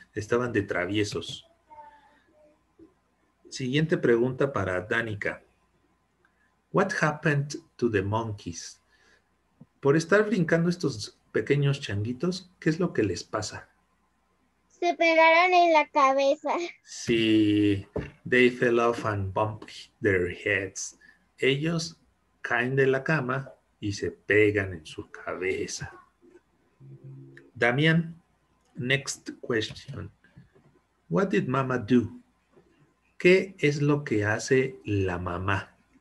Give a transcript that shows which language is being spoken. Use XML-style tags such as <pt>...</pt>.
<es>Estaban de traviesos. Siguiente pregunta para</es> <en>Danica. What happened to the monkeys?</en> <es>Por estar brincando estos pequeños changuitos, ¿qué es lo que les pasa? Se pegaron en la cabeza.</es> <en>Sí, they fell off and bumped their heads.</en> <es>Ellos caen de la cama y se pegan en su cabeza.</es> <en>Damián, next question. What did mama do?</en> <es>¿Qué es lo que hace la mamá?</es>